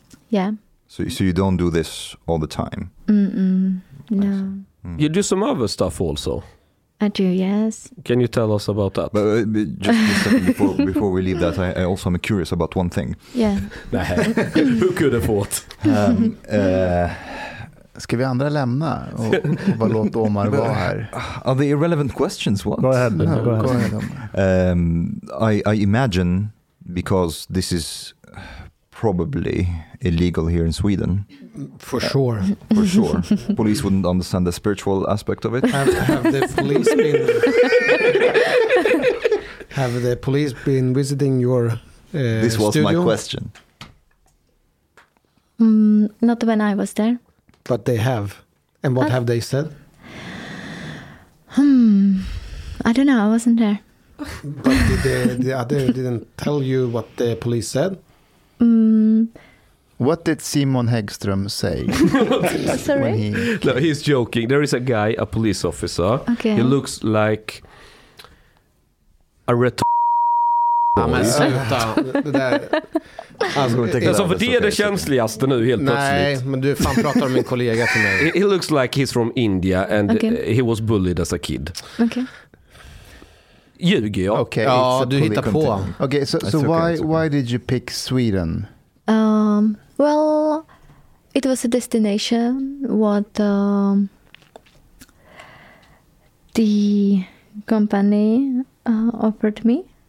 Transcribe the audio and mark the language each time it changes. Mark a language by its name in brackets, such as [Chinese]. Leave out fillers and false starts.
[English] Yeah. So you don't do this all the time? No. You do some other stuff also. I do, yes. Can you tell us about that? Before we leave that, I also am curious about one thing. Yeah. Who could have thought? [Swedish] Ska vi andra lämna och bara låta Omar vara här? [English] Are the irrelevant questions what? Go ahead. No, go ahead. I imagine, because this is probably illegal here in Sweden. For sure. For sure. Police wouldn't understand the spiritual aspect of it. Have the police been visiting your This was studio? My question. Not when I was there. But they have. And what have they said? I don't know. I wasn't there. But the other didn't tell you what the police said? What did Simon Häggström say? Sorry? He's joking. There is a guy, a police officer. Okay. He looks like a [Swedish] sluta. Alltså för det är det känsligaste nu helt plötsligt. Nej, men du fan pratar om min kollega till mig. [English] He looks like he's from India and he was bullied as a kid. Okay. [Swedish] Ljuger jag? Okay, ja, du hittar på. [English] Okay, so why did you pick Sweden? Well, it was a destination what the company offered me.